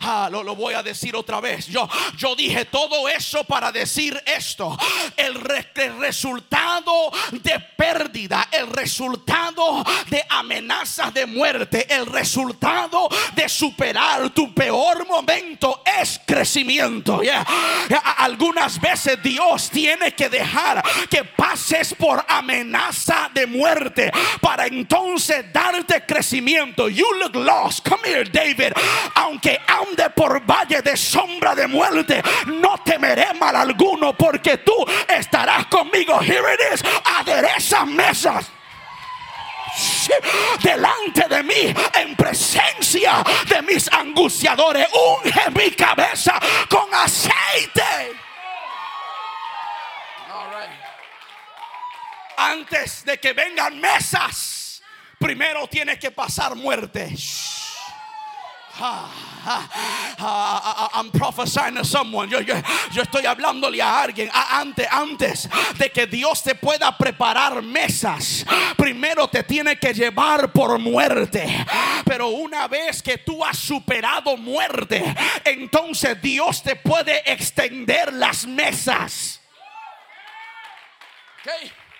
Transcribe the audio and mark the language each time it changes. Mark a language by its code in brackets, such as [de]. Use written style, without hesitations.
[es] Lo voy a decir otra vez. Yo dije todo eso para decir esto: el resultado de pérdida, el resultado de amenazas de muerte, el resultado de superar tu peor momento es crecimiento. Algunas veces Dios tiene que dejar que pases por amenaza de muerte para entonces darte crecimiento. [en] You look lost, come here, David. [es] Aunque ande por valle de sombra de muerte, no temeré mal alguno, porque tú estarás conmigo. [en] Here it is. [es] Adereza mesas delante de mí, en presencia de mis angustiadores. Unge mi cabeza con aceite. [en] All right. [es] Antes de que vengan mesas, primero tiene que pasar muerte. [en] I'm prophesying to someone. [es] Yo estoy hablándole a alguien. Antes de que Dios te pueda preparar mesas, primero te tiene que llevar por muerte. Pero una vez que tú has superado muerte, entonces Dios te puede extender las mesas. Okay.